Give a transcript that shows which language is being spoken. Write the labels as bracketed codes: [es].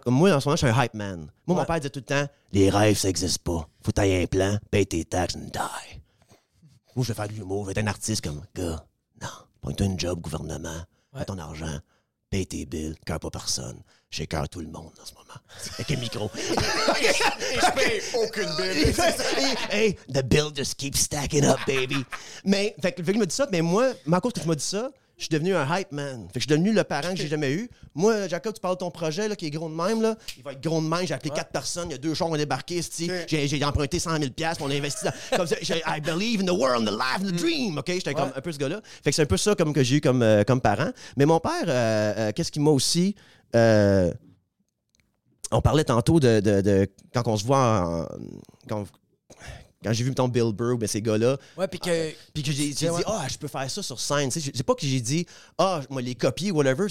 [fr] Moi, en ce moment, je suis un hype man. Moi, mon père disait tout le temps, les rêves, ça n'existe pas. Faut que t'ailles un plan, paye tes taxes [en] and die. [fr] Moi, je vais faire de l'humour, je vais être un artiste comme, gars, non, prends-toi une job, gouvernement, fais ton argent, paye tes bills, cœur pas personne. J'ai cœur tout le monde en ce moment. Avec un micro. Et je paye aucune bill. [en] Hey, the bill just keeps stacking up, baby. [fr] Mais, fait que il m'a dit ça, mais moi, à cause que tu m'as dit ça, je suis devenu un hype man. Fait que je suis devenu le parent que j'ai jamais eu. Moi, Jacob, tu parles de ton projet là, qui est gros de même. Là. Il va être gros de même. J'ai appelé 4 personnes. Il y a 2 jours, on est débarqué. J'ai emprunté 100 000 $ on a investi dans. Comme ça, [en] I believe in the world, the life, the dream. Okay? [fr] J'étais comme un peu ce gars-là. Fait que c'est un peu ça comme, que j'ai eu comme, comme parent. Mais mon père, qu'est-ce qu'il m'a aussi. On parlait tantôt de quand on se voit. Quand j'ai vu, mettons, Bill Burr, ben, ces gars-là. Puis que j'ai dit, je peux faire ça sur scène. C'est pas que j'ai dit, moi, les copier, whatever.